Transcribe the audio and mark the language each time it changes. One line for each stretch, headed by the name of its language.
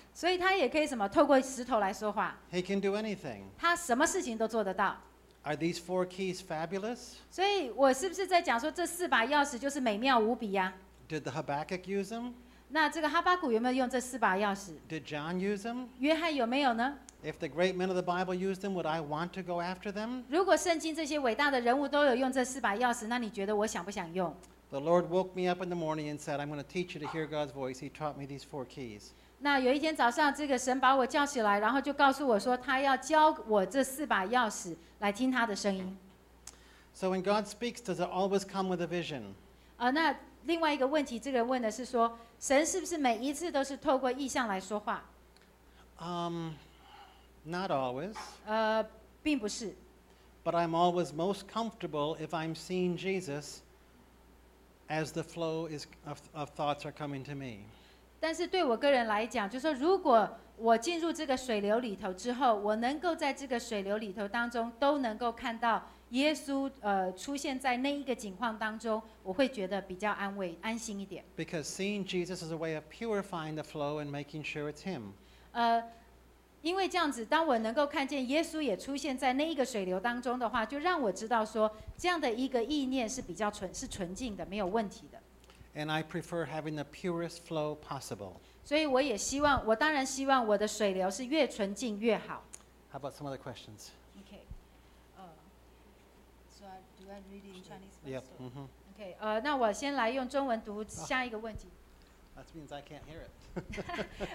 Chinese: 所以他也可以什么，透过石头来说话。
English: He can do anything.
Chinese: 他什么事情都做得到。
English: Are these four keys fabulous?
Chinese: 所以我是不是在讲说这四把钥匙就是美妙无比呀？
English: Did the Habakkuk use them?
Chinese: 那这个哈巴谷有没有用这四把钥匙？
English: Did John use them?
Chinese: 约翰有没有呢？
English: If the great men of the Bible used them, would I want to go after them?
Chinese: 如果圣经这些伟大的人物都有用这四把钥匙，那你觉得我想不想用？
English: The Lord woke me up in the morning and said, "I'm going to teach you to hear God's voice." He taught me these four keys.
Chinese: 那有一天早上，这个神把我叫起来，然后就告诉我说，他要教我这四把钥匙来听他的声音。
English: So when God speaks, does it always come with a vision?
Chinese: 那另外一个问题，这个人问的是说，神是不是每一次都是透过异象来说话？
English: Not always.
Chinese: 并不是。
English: But I'm always most comfortable if I'm seeing Jesus as the flow is of thoughts are coming to me.
Chinese: 但是对我个人来讲，就是说如果我进入这个水流里头之后，我能够在这个水流里头当中都能够看到耶稣出现在那一个景况当中，我会觉得比较安慰，安心一点。
English: Because seeing Jesus is a way of purifying the flow and making sure it's him.
Chinese: 因为这样子，当我能够看见耶稣也出现在那一个水流当中的话，就让我知道说，这样的一个意念是比较纯，是纯净的，没有问题的。
English: And I prefer having the purest flow possible.
Chinese: 所以我也希望，我当然希望我的水流是越纯净越好。
English: How about some other questions? Okay. So, do I read in Chinese? Yep. Okay.
Chinese: 那我先来用中文读下一个问题。
English: That means I can't hear it.